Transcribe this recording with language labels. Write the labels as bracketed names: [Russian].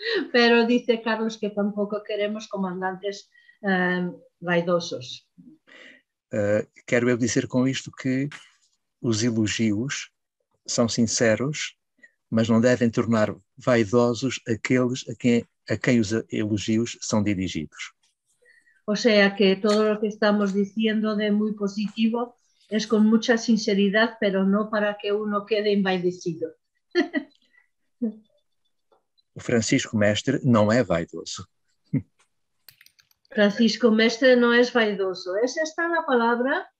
[Spanish] Pero dice Carlos que tampoco queremos comandantes vaidosos. [Portuguese] Quero eu dizer com isto que os elogios são sinceros, mas não devem tornar vaidosos aqueles a quem os elogios são dirigidos. [Spanish] O sea que todo lo que estamos diciendo de muy positivo es con mucha sinceridad, pero no para que uno quede envaidecido. [Portuguese] O Francisco Mestre não é vaidoso. [Spanish] Francisco Mestre no es vaidoso. ¿Es esta la palabra?